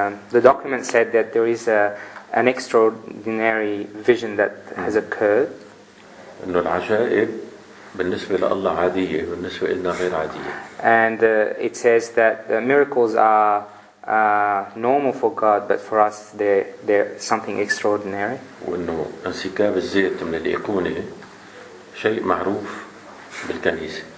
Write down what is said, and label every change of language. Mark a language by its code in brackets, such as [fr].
[en] The document said that there is an extraordinary vision that has occurred. [ar] إنه العجائب بالنسبة لله عادية بالنسبة لنا غير عادية. [en] And it says that the miracles are normal for God, but for us they're something extraordinary. [ar] وإنه انسكاب الزيت من الإيقونة شيء معروف بالكنيسة.